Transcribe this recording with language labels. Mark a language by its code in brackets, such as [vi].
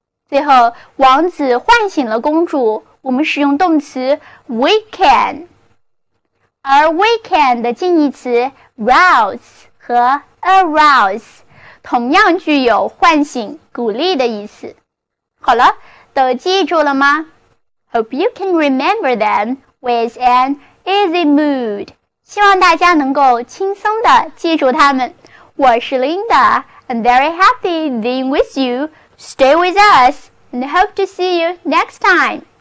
[zh] 最后，王子唤醒了公主，我们使用动词 waken。而 waken 的近义词 rouse 和 arouse 同样具有唤醒、鼓励的意思。好了，都记住了吗？ [en] Hope you can remember them with an easy mood. [zh] 希望大家能够轻松地记住它们。我是 [en] Linda, I'm very happy being with you. Stay with us, and hope to see you next time.